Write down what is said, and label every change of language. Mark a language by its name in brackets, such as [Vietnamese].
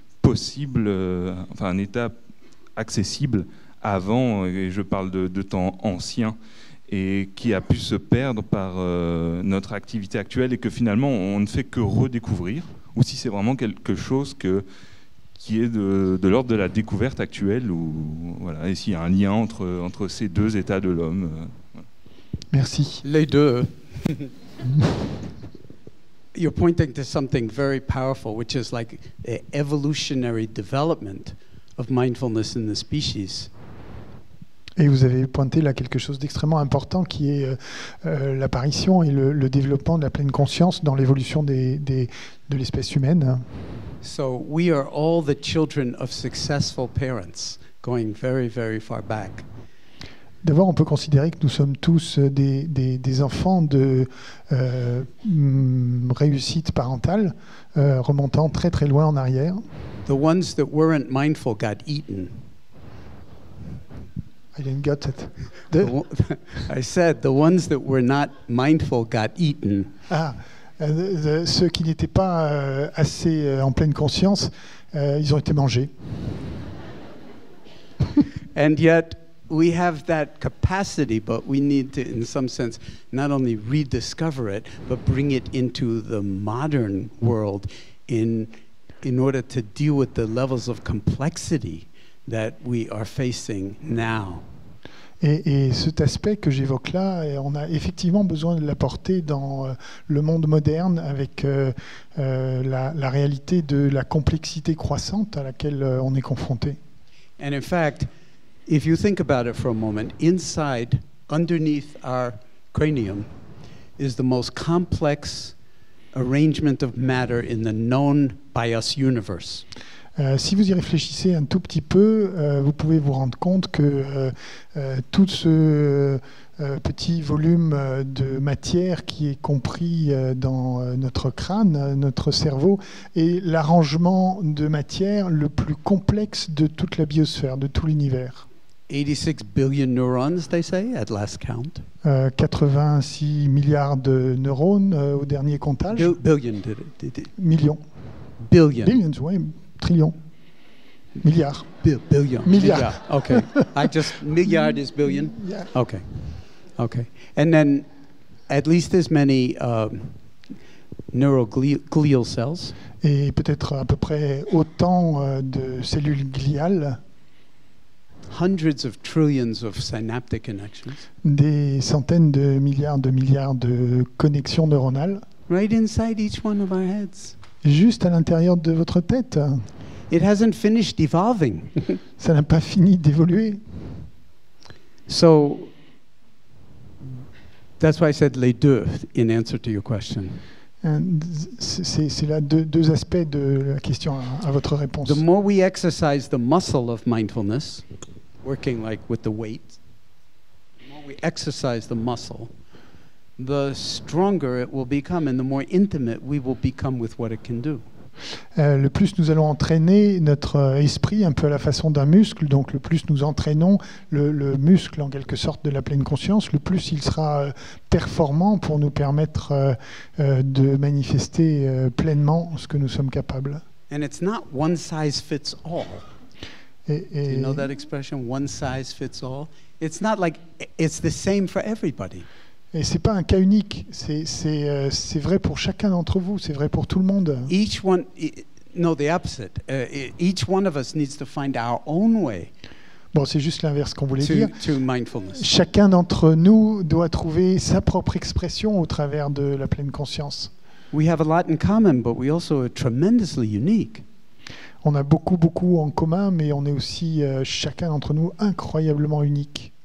[French] possible, enfin une étape accessible avant, et je parle de temps ancien, et qui a pu se perdre par notre activité actuelle, et que finalement on ne fait que redécouvrir, ou si c'est vraiment quelque chose qui est de l'ordre de la découverte actuelle, ou voilà, et s'il y a un lien entre ces deux états de l'homme. Voilà. Merci. Les deux. [English] You're pointing to something very powerful, which is like the evolutionary development of mindfulness in the species. [French] Et vous avez pointé là quelque chose d'extrêmement important, qui est l'apparition et le développement de la pleine conscience dans l'évolution de l'espèce humaine. [English] So we are all the children of successful parents, going very, very far back. [French] D'abord, on peut considérer que nous sommes tous des enfants de réussite parentale remontant très très loin en arrière. [English] The ones that weren't mindful got eaten. I didn't get it. I said the ones that were not mindful got eaten. [French] Ah, ceux qui n'étaient pas assez en pleine conscience, ils ont été mangés. [English] And yet we have that capacity, but we need to, in some sense, not only rediscover it, but bring it into the modern world in order to deal with the levels of complexity that we are facing now. [French] Et cet aspect que j'évoque là, on a effectivement besoin de l'apporter dans le monde moderne avec la réalité de la complexité croissante à laquelle on est confronté. [English] And in fact, if you think about it for a moment, inside, underneath our cranium, is the most complex arrangement of matter in the known by us universe. [French] Si vous y réfléchissez un tout petit peu, vous pouvez vous rendre compte que tout ce petit volume de matière qui est compris dans notre crâne, notre cerveau, est l'arrangement de matière le plus complexe de toute la biosphère, de tout l'univers. [English] 86 billion neurons, they say, at last count. [French] 86 milliards de neurones au dernier comptage. [English] Billion, did it. [French] Millions. [English] Billion. [French] Billions, oui. Trillions. Milliards. [English] Billion. [French] Milliard. [English] Okay. I just, milliard is billion? Yeah. Okay. Okay. And then at least as many neuroglial cells. [French] Et peut-être à peu près autant de cellules gliales. [English] Hundreds of trillions of synaptic connections. [French] Des centaines de milliards de connexions neuronales. [English] Right inside each one of our heads. [French] Juste à l'intérieur de votre tête. [English] It hasn't finished evolving. [French] Ça n'a pas fini d'évoluer. [English] So that's why I said [French] les deux [English] in answer to your question. [French] C'est là deux aspects de la question à votre réponse. [English] The more we exercise the muscle of mindfulness, working like with the weight, the more we exercise the muscle, the stronger it will become, and the more intimate we will become with what it can do. [French] Le plus nous allons entraîner notre esprit un peu à la façon d'un muscle, donc le plus nous entraînons le muscle en quelque sorte de la pleine conscience, le plus il sera performant pour nous permettre de manifester pleinement ce que nous sommes capables. [English] And it's not one size fits all. [French] Et [English] do you know that expression, one size fits all? It's not like it's the same for everybody. [French] Et c'est pas un cas unique, c'est vrai pour chacun d'entre vous, c'est vrai pour tout le monde. [English] Each one, no, the opposite. Each one of us needs to find our own way. [French] Bon, c'est juste l'inverse qu'on voulait [English] to mindfulness. [French] Chacun d'entre nous doit trouver sa propre expression au travers de la pleine conscience. [English] We have a lot in common, but we also are tremendously unique. [French] On a beaucoup beaucoup en commun, mais on est aussi chacun d'entre nous incroyablement unique.